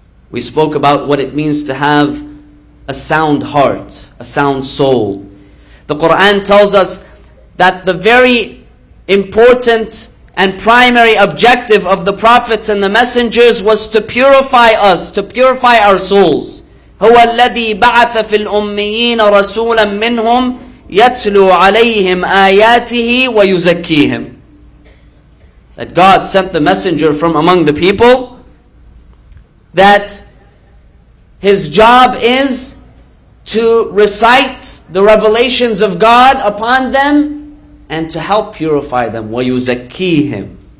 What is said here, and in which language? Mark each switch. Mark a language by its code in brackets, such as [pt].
[en] We spoke about what it means to have a sound heart, a sound soul. The Quran tells us that the very important and primary objective of the prophets and the messengers was to purify us, to purify our souls. [ar] هو الذي بعث في الأميين رسولا منهم يتلو عليهم آياته ويزكيهم. [en] That God sent the messenger from among the people, that his job is to recite the revelations of God upon them and to help purify them. [ar] وَيُزَكِّيهِمْ.